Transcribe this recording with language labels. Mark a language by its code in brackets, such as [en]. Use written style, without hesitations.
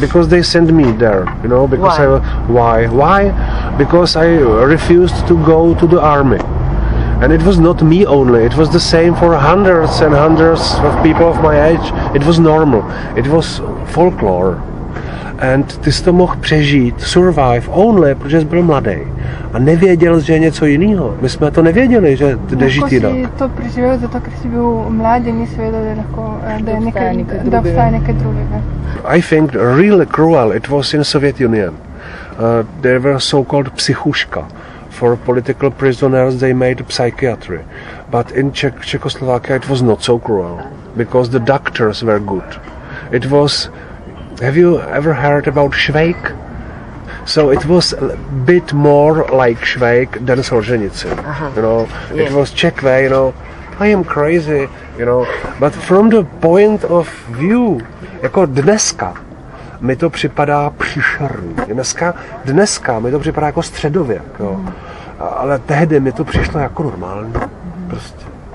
[en] because they sent me there, you know, because why? Why? Because I refused to go to the army. And it was not me only, it was the same for hundreds and hundreds of people of my age. It was normal, it was folklore. [cs] And ty jsi to mohl přežít, [en] survive only, [cs] protože jsi byl mladý. A nevěděl jsi, že je něco jiného. My jsme to nevěděli, že jde žít jinak. Jako jsi to přežil, protože jsi byl mladý, nevěděl, že je něco jiného. [en] I think really cruel it was in Soviet Union. There were so-called psychuška. For political prisoners they made psychiatry. But in Czechoslovakia it was not so cruel, because the doctors were good. It was... Have you ever heard about Švejk? So it was a bit more like Švejk than Solženicyn. You know, yeah. It was Czech way, you know. I am crazy, you know. But from the point of view, [cs] jako dneska, mi to připadá příšerný. Dneska mi to připadá jako středověk, jo. Ale tehdy mi to přišlo jako normální, prostě.